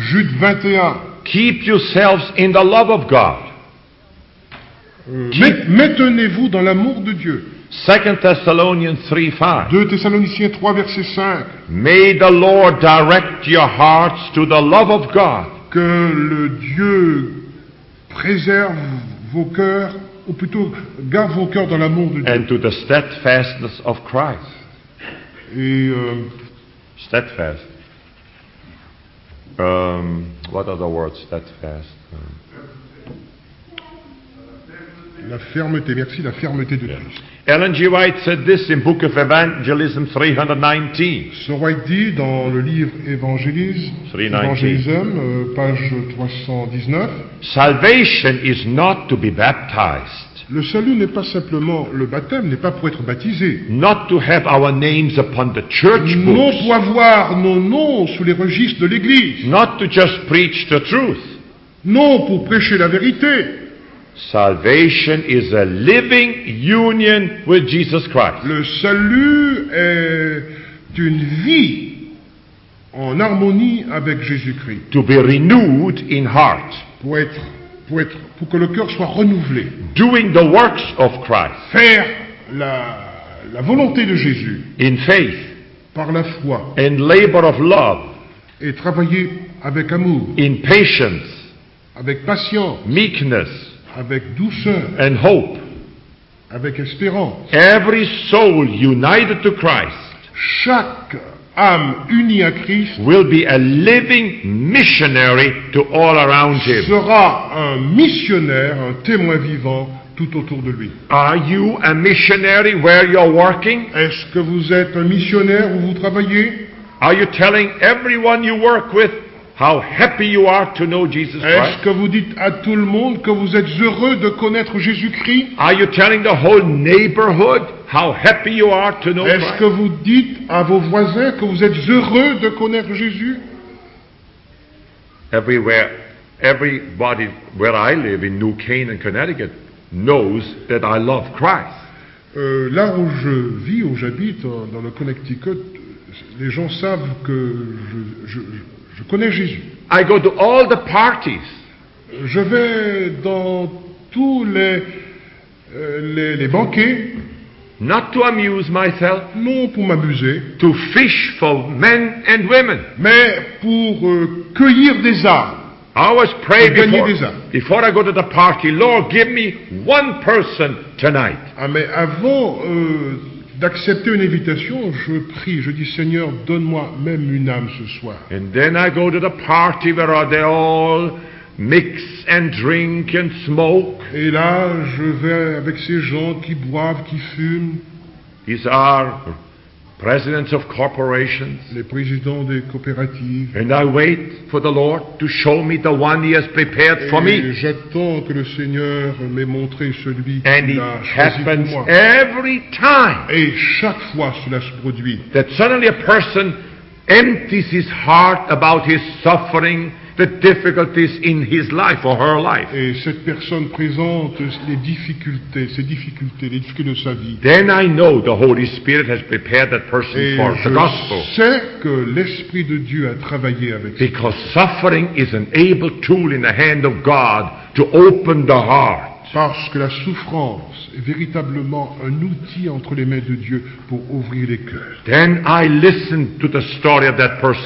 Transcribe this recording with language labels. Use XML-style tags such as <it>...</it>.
<en>Jude 21. Keep yourselves in the love of God.</en> <fr>Maintenez-vous dans l'amour de Dieu. 2 Thessaloniciens 3:5. 2 Thessaloniciens 3 verset 5.</fr> <en>May the Lord direct your hearts to the love of God.</en> <fr>Que le Dieu préserve vos cœurs, ou plutôt garde vos cœurs dans l'amour de Dieu.</fr> <en>And to the steadfastness of Christ.</en> <fr>Et</fr> <en>steadfast. What are the words steadfast?</en> <fr>La fermeté, merci, la fermeté de Christ.</fr> <en>Ellen G. White said this in Book of Evangelism 319.</en> <fr>Sir White dit dans le livre Evangelism, page 319.</fr> <en>Salvation is not to be baptized.</en> <fr>Le salut n'est pas simplement le baptême, n'est pas pour être baptisé.</fr> <en>Not to have our names upon the church books.</en> <fr>Non pour avoir nos noms sous les registres de l'Église.</fr> <en>Not to just preach the truth.</en> <fr>Non pour prêcher la vérité.</fr> <en>Salvation is a living union with Jesus Christ.</en> <fr>Le salut est une vie en harmonie avec Jésus-Christ.</fr> <en>To be renewed in heart.</en> <fr>Pour que le cœur soit renouvelé.</fr> <en>Doing the works of Christ.</en> <fr>Faire la volonté de Jésus.</fr> <en>In faith.</en> <fr>Par la foi.</fr> <en>And labor of love.</en> <fr>Et travailler avec amour.</fr> <en>In patience.</en> <fr>Avec patience.</fr> <en>Meekness.</en> <fr>Avec douceur.</fr> <en>And hope.</en> <fr>Avec espérance.</fr> <en>Every soul united to Christ.</en> <fr>Chaque âme unie à Christ</fr> <en>will be a living missionary to all around him.</en> <fr>Sera un missionnaire, un témoin vivant tout autour de lui.</fr> <en>Are you a missionary where you're working?</en> <fr>Est-ce que vous êtes un missionnaire où vous travaillez?</fr> <en>Are you telling everyone you work with how happy you are to know Jesus Christ?</en> <fr>Est-ce que vous dites à tout le monde que vous êtes heureux de connaître Jésus-Christ?</fr> <en>Are you telling the whole neighborhood how happy you are to know Christ?</en> <fr>Est-ce que vous dites à vos voisins que vous êtes heureux de connaître Jésus?</fr> <en>Everywhere, everybody where I live in New Canaan, Connecticut, knows that I love Christ.</en> <fr>Là où je vis, où j'habite, dans le Connecticut, les gens savent que je connais Jésus.</fr> <en>I go to all the parties.</en> <fr>Je vais dans tous les banquets.</fr> <en>Not to amuse myself.</en> <fr>Non pour m'amuser.</fr> <en>To fish for men and women.</en> <fr>Mais pour cueillir des âmes.</fr> <en>I always pray before I go to the party. Lord, give me one person tonight.</en> <fr>Ah, mais avant d'accepter une invitation, je prie, je dis Seigneur, donne-moi même une âme ce soir.</fr> <en>And then I go to the party where they all mix and drink and smoke.</en> <fr>Et là, je vais avec ces gens qui boivent, qui fument.</fr> <en>These are presidents of corporations.</en> <fr>Les présidents des coopératives.</fr> <en>And I wait for the Lord to show me the one He has prepared</en> <fr>et</fr> <en>for me.</en> <fr>J'attends que le Seigneur m'ait montré celui</fr> <en>and</en> <fr>qui</fr> <en>it a happens</en> <fr>moi.</fr> <en>Every time.</en> <fr>Et chaque fois cela se produit.</fr> <en>That suddenly a person empties his heart about his suffering, the difficulties in his life or her life.</en> <fr>Et cette personne présente les difficultés, ses difficultés, les difficultés de sa vie.</fr> <en>Then I know the Holy Spirit has prepared that person</en> <fr>et</fr> <en>for the gospel.</en> <fr>Je sais que l'Esprit de Dieu a travaillé avec.</fr> <en>Because suffering is an able tool in the hand of God to open the heart.</en> <fr>Parce que la souffrance est véritablement un outil entre les mains de Dieu pour ouvrir les cœurs.</fr> <en>Then I listen to the story of that person.</en>